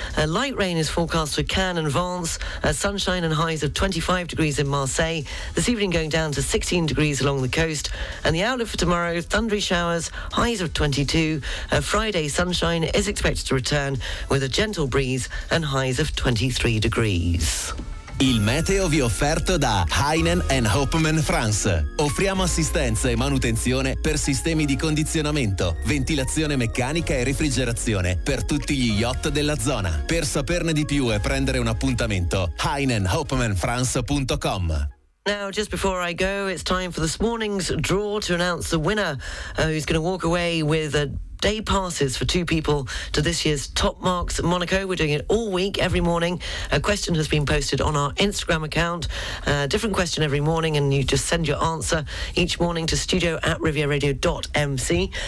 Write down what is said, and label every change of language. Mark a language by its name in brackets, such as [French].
[English] Light rain is forecast for Cannes and Vence. Sunshine and highs of 25 degrees in Marseille. This evening going down to 16 degrees along the coast. And the outlook for tomorrow, thundery showers, highs of 22. Friday, sunshine is expected to return with a gentle breeze and highs of 23 degrees. [Italian] Il meteo vi offerto da Heinen and Hopman France. Offriamo assistenza e manutenzione per sistemi di condizionamento, ventilazione meccanica e refrigerazione per tutti gli yacht della zona. Per saperne di più e prendere un appuntamento, heinenhopmanfrance.com. [English] Now, just before I go, it's time for this morning's draw to announce the winner, who's going to walk away with a day passes for two people to this year's Top Marks Monaco. We're doing it all week, every morning. A question has been posted on our Instagram account. A different question every morning, and you just send your answer each morning to studio@rivieradio.mc.